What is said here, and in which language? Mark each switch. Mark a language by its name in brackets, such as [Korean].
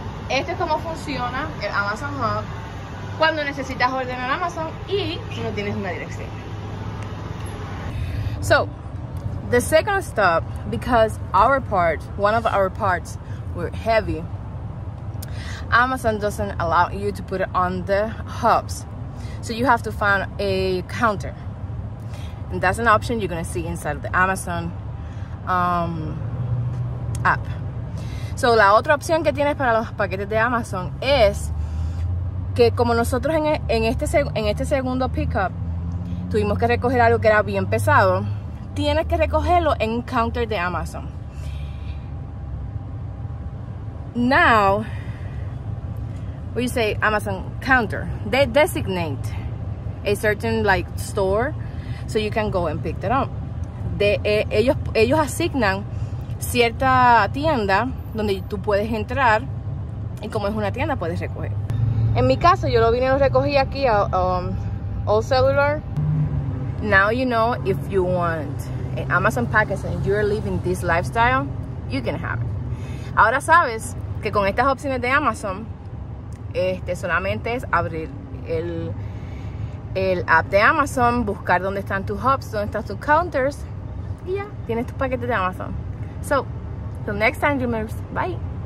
[Spanish] Este es como funciona el Amazon Hub cuando necesitas ordenar Amazon y si no tienes una dirección. [English] So, the second stop, because our part, one of our parts, were heavy, Amazon doesn't allow you to put it on the hubs. So you have to find a counter. And that's an option you're gonna see inside of the Amazon app. [Spanish] So la otra opción que tienes para los paquetes de Amazon es que como nosotros en este segundo pickup tuvimos que recoger algo que era bien pesado, tienes que recogerlo en un counter de Amazon. [English] Now, what do you say, Amazon counter? They designate a certain like store so you can go and pick it up. [Spanish] Ellos asignan cierta tienda donde tú puedes entrar y como es una tienda puedes recoger. En mi caso, yo lo vine y lo recogí aquí a All Cellular. [English] Now you know if you want an Amazon package and you're living this lifestyle, you can have it. [Spanish] Ahora sabes que con estas opciones de Amazon, solamente es abrir el app de Amazon, buscar dónde están tus hubs, dónde están tus counters, y ya, tienes tus paquetes de Amazon. [English] So, till next time, dreamers, bye.